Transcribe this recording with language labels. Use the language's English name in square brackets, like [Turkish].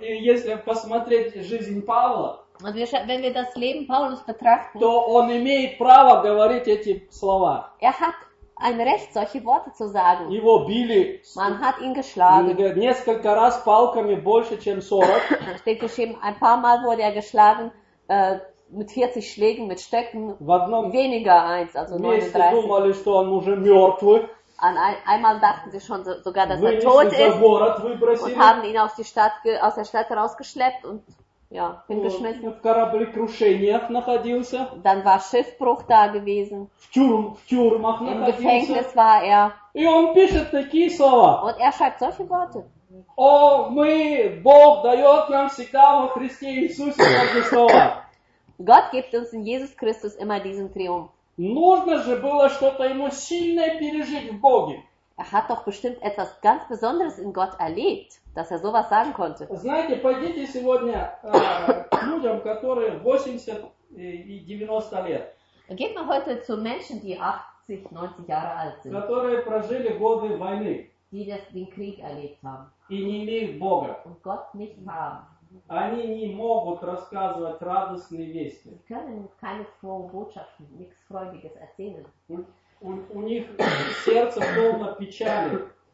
[Russian] И если посмотреть жизнь Павла, [German] und wenn wir das Leben Paulus betrachten, [Russian] то он имеет право говорить эти слова. [German] Er hat ein Recht, solche Worte zu sagen. [Russian] Его били. [German] Man hat ihn geschlagen. [Russian] Несколько раз палками больше, чем 40. [German] Steht geschrieben, ein paar Mal wurde er geschlagen, mit 40 Schlägen, mit Stöcken, weniger eins, also 39. [Russian] Думали, что он уже мертвый. [German] Einmal dachten sie schon sogar, dass er tot ist, und haben ihn aus, die Stadt, aus der Stadt rausgeschleppt und ja, hingeschmissen. [Russian] В кораблекрушениях находился. [German] Dann war Schiffbruch da gewesen. [Russian] В тюрьмах [German] im Gefängnis war er. [Russian] И он пишет такие слова. [German] Und er schreibt solche Worte. [Russian] О, мы, Бог дает нам всегда во Христе Иисусе эти слова. [German] Gott gibt uns in Jesus Christus immer diesen Triumph. [Russian] Нужно же было что-то ему сильное пережить в Боге. [German] Er hat doch bestimmt etwas ganz Besonderes in Gott erlebt, dass er sowas sagen konnte. [Russian] Знаете, пойдите сегодня людям, которые 80 и 90 лет. [German] Geht mal heute zu Menschen, die 80, 90 Jahre alt sind. [Russian] Которые прожили годы войны. [German] Die das, den Krieg erlebt haben. [Russian] И не имеют Бога. [German] Und Gott nicht haben. [Russian] Они не могут рассказывать радостные вести. [German] Sie können keine frohe Botschaft, nichts Freudiges erzählen. [Russian] У них сердце полно печали.